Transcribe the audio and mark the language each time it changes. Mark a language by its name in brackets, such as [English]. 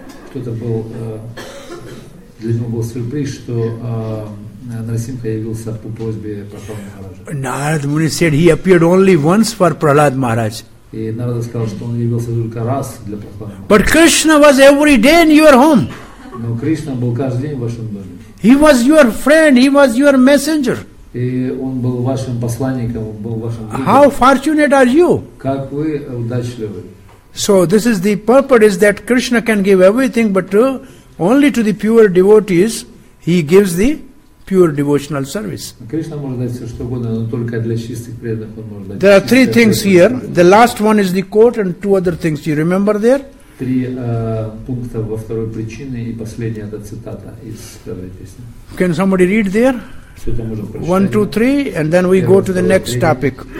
[Russian] Кто-то был для него был сюрприз, что Нарасимха явился по просьбе Прахлада Махараджа. [English] Narada Muni said he appeared only once for Prahlad Maharaj. [Russian] И Нарада сказал, что он явился только раз для Прахлада Махараджа. [English] But Krishna was every day in your home. [Russian] Но Кришна был каждый день в вашем доме. [English] He was your friend, he was your messenger. [Russian] И он был вашим посланником, он был вашим другом. [English] How fortunate are you? [Russian] Как вы удачливы. [English] So this is the purpose, is that Krishna can give everything, but only to the pure devotees he gives the pure devotional service. [Russian] Krishna может дать все что угодно, но только для чистых преданных он может дать. [English] There are three things here. The last one is the quote and two other things. You remember there? [Russian] Три пункта во второй причине и последняя это цитата из первой песни. [English] Can somebody read there? One, two, three, and then we go to the next topic.